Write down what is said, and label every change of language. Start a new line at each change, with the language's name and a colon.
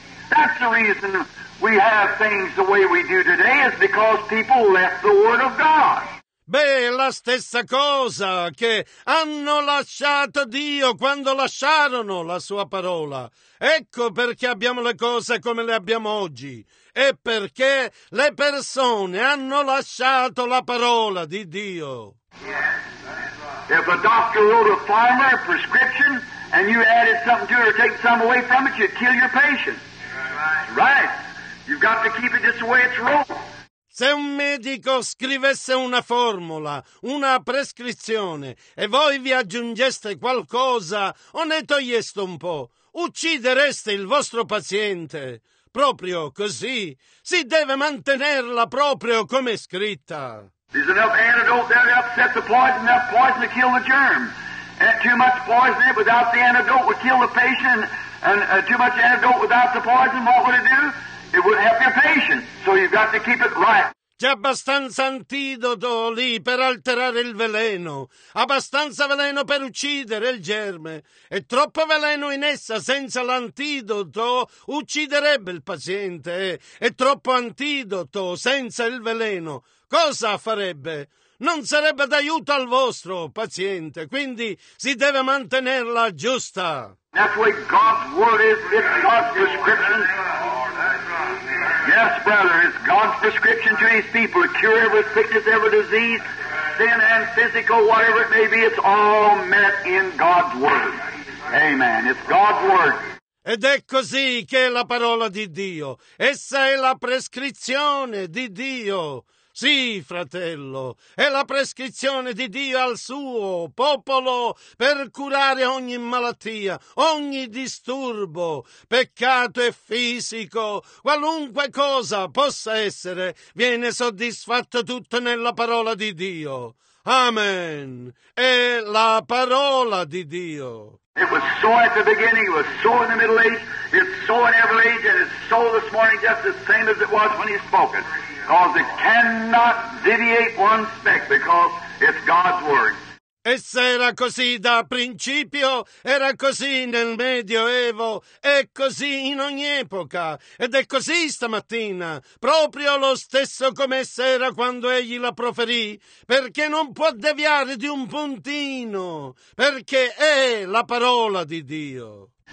English: That's the reason we have things the way we do today, is because people left the Word of God.
Italian: Beh, la stessa cosa, che hanno lasciato Dio quando lasciarono la sua parola. Ecco perché abbiamo le cose come le abbiamo oggi. E perché le persone hanno lasciato la parola di Dio.
English: If a doctor wrote a pharma, a prescription, and you added something to it or take something away from it, you'd kill your patient. Right. You've got to keep it just the way it's wrote.
Italian: Se un medico scrivesse una formula, una prescrizione, e voi vi aggiungeste qualcosa o ne togliesse un po', uccidereste il vostro paziente. Proprio così. Si deve mantenerla proprio come scritta.
English: There's enough antidote there to upset the poison, enough poison to kill the germ. And too much poison without the antidote would kill the patient, and too much antidote without the poison, what would it do? It would help your patient, so you've got to keep it right.
Italian: C'è abbastanza antidoto lì per alterare il veleno, abbastanza veleno per uccidere il germe, e troppo veleno in essa senza l'antidoto ucciderebbe il paziente, e troppo antidoto senza il veleno cosa farebbe? Non sarebbe d'aiuto al vostro paziente, quindi si deve mantenerla giusta.
English: That's what God's word is, it's God's prescription. Yes, brother, it's God's prescription to His people. Cure every sickness, every disease, sin and physical, whatever it may be, it's all met in God's word. Amen. It's God's word.
Italian: Ed è così che è la parola di Dio. Essa è la prescrizione di Dio. Sì, fratello, è la prescrizione di Dio al suo popolo per curare ogni malattia, ogni disturbo, peccato e fisico, qualunque cosa possa essere, viene soddisfatto tutto nella parola di Dio. Amen. È la parola di Dio.
English: It was so at the beginning, it was so in the middle age, it's so in every age, and it's so this morning, just the same as it was when He spoke it. Because it cannot deviate one speck, because it's God's word.
Italian: Essa era così da principio, era così nel Medioevo, è così in ogni epoca, ed è così stamattina, proprio lo stesso come essa era quando egli la proferì, perché non può deviare di un puntino, perché è la parola di Dio.